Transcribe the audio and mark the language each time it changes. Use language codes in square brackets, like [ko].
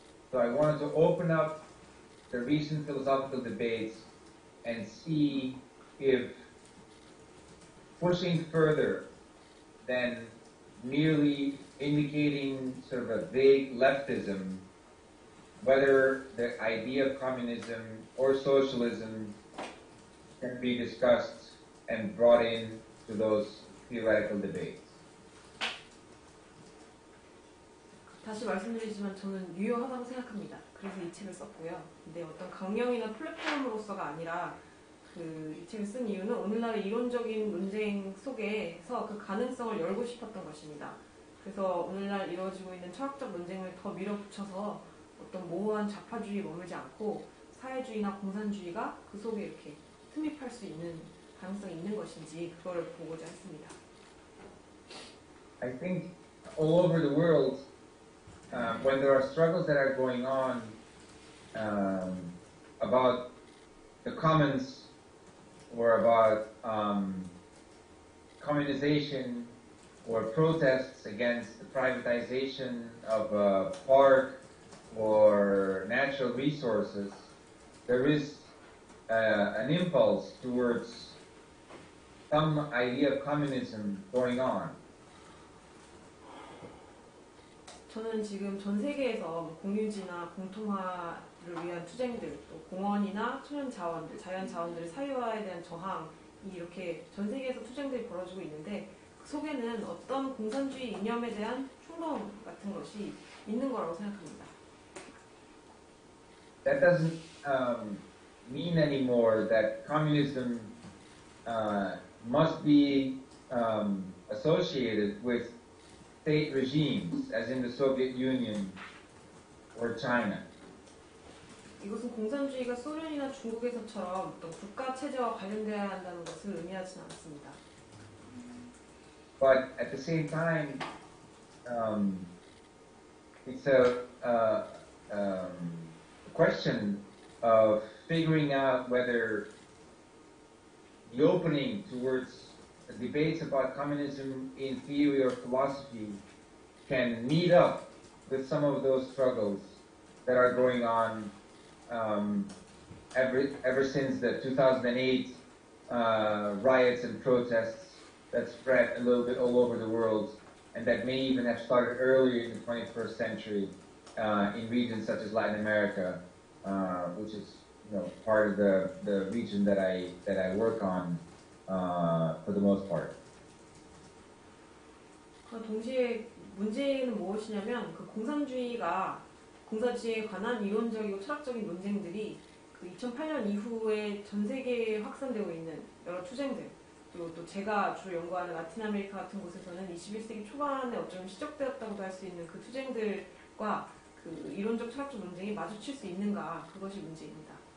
[en] So I wanted to open up the recent philosophical debates and see if pushing further than merely indicating sort of a vague leftism, whether the idea of communism or socialism can be discussed and brought in to those theoretical debates. [ko] 다시 말씀드리지만 저는 유효하다고 생각합니다. 그래서 이 책을 썼고요. 근데 어떤 강령이나 플랫폼으로서가 아니라 그 이 책을 쓴 이유는 오늘날의 이론적인 논쟁 속에서 그 가능성을 열고 싶었던 것입니다. 그래서 오늘날 이루어지고 있는 철학적 논쟁을 더 밀어붙여서 어떤 모호한 좌파주의에 머물지 않고 사회주의나 공산주의가 그 속에 이렇게 틈입할 수 있는 가능성이 있는 것인지 그걸 보고자 했습니다. [en] I think all over the world, when there are struggles that are going on about the commons or about communization or protests against the privatization of a park or natural resources, there is an impulse towards some idea of communism going on. [ko] 저는 지금 전 세계에서 공유지나 공통화를 위한 투쟁들, 또 공원이나 천연 자원들, 자연 자원들의 사유화에 대한 저항, 이렇게 전 세계에서 투쟁들이 벌어지고 있는데 그 속에는 어떤 공산주의 이념에 대한 충동 같은 것이 있는 거라고 생각합니다. [en] That doesn't mean anymore that communism must be associated with state regimes, as in the Soviet Union or China. [ko] 이것은 공산주의가 소련이나 중국에서처럼 또 국가 체제와 관련되어야 한다는 것을 의미하지는 않습니다. [en] But at the same time, it's a question of figuring out whether the opening towards debates about communism in theory or philosophy can meet up with some of those struggles that are going on ever since the 2008 riots and protests that spread a little bit all over the world and that may even have started earlier in the 21st century in regions such as Latin America, which is, you know, part of the region that I work on. For the most part. [ko] 동시에 문제는 무엇이냐면 그 공산주의가 공산주의에 관한 이론적이고 철학적인 논쟁들이 그 2008년 이후에 전 세계에 확산되고 있는 여러 투쟁들 그리고 또 제가 주로 연구하는 라틴 아메리카 같은 곳에서는 21세기 초반에 어쩌면 시작되었다고도 할 수 있는 그 투쟁들과 그 이론적 철학적 논쟁이 마주칠 수 있는가 그것이 문제입니다.